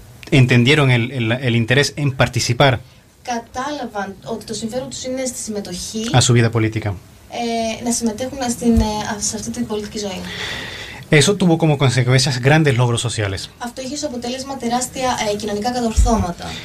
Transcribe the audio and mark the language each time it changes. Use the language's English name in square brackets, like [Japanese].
[Spanish] entendieron el interés en participar, [Greek] κατάλαβαν ότι το συμφέρον τους είναι στη συμμετοχή, [Spanish] a su vida política, [Greek] να συμμετέχουν σε αυτή την πολιτική ζωή. [Spanish] Eso tuvo como consecuencias grandes logros sociales. [Greek] Αυτό είχε ως αποτέλεσμα τεράστια κοινωνικά κατορθώματα.